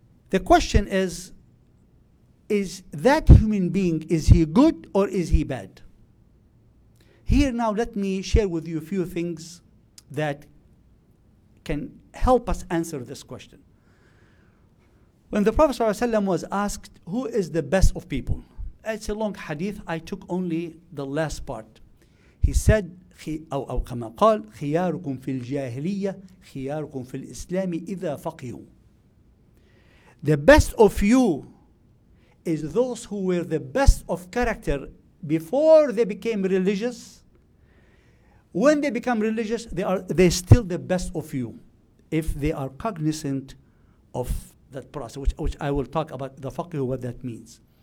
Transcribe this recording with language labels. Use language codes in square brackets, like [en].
[en] The question is that human being, is he good or is he bad? Here now, let me share with you a few things that can help us answer this question. When the Prophet ﷺ was asked, who is the best of people? It's a long hadith. I took only the last part. [ar] He said, أو كما قال, خياركم في الجاهلية, خياركم في الإسلام إذا فقهوا. [en] The best of you is those who were the best of character before they became religious. When they become religious, they're still the best of you if they are cognizant of that process, which I will talk about the faqih, what that means.